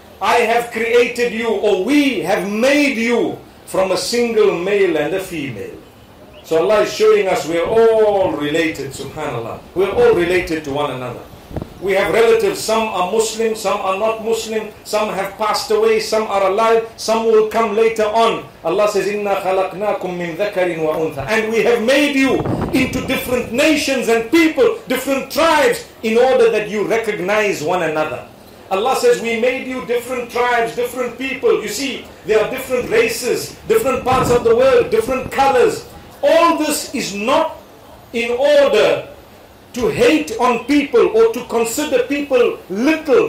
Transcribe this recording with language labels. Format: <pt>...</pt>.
<en>I have created you, or we have made you from a single male and a female. So Allah is showing us we are all related, subhanAllah. We are all related to one another. We have relatives, some are Muslim, some are not Muslim, some have passed away, some are alive, some will come later on. Allah says,</en> <ar>إِنَّا خَلَقْنَاكُمْ مِنْ ذَكَرٍ وَأُنْثَىٰ.</ar> <en>And we have made you into different nations and people, different tribes, in order that you recognize one another. Allah says, we made you different tribes, different people. You see, there are different races, different parts of the world, different colors. All this is not in order to hate on people or to consider people little.</en>